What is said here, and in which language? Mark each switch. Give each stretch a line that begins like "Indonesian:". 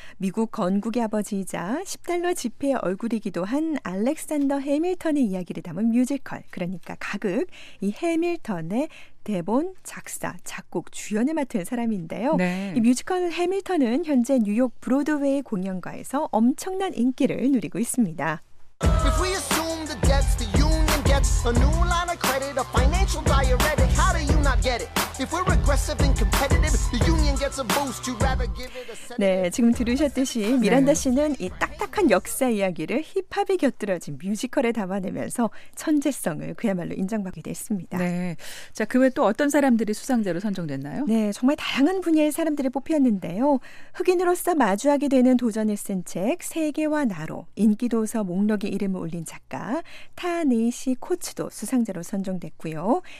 Korean: 미국 건국의 아버지이자 10달러 지폐의 얼굴이기도 한 알렉산더 해밀턴의 이야기를 담은 뮤지컬, 그러니까 가극, 이 해밀턴의 대본, 작사, 작곡, 주연을 맡은 사람인데요. 네. 이 뮤지컬 해밀턴은 현재 뉴욕 브로드웨이 공연가에서 엄청난 인기를 누리고 있습니다.
English: If we assume the debts the union gets, a new line of credit, a financial diuretic, how do you not get it? If we're aggressive and competitive, the union gets a boost. You'd rather give it a set.
Korean: 네, 지금 들으셨듯이 미란다 씨는 이 딱딱한 역사 이야기를 힙합이 곁들여진 뮤지컬에 담아내면서 천재성을 그야말로 인정받게 됐습니다. 네. 자, 그 외 또 어떤 사람들이 수상자로 선정됐나요? 네, 정말 다양한 분야의 사람들을 뽑혔는데요. 흑인으로서 마주하게 되는 도전을 쓴 책 세계와 나로 인기도서 목록에 이름을 올린 작가 타네이시 코츠도 수상자로 선정됐고요.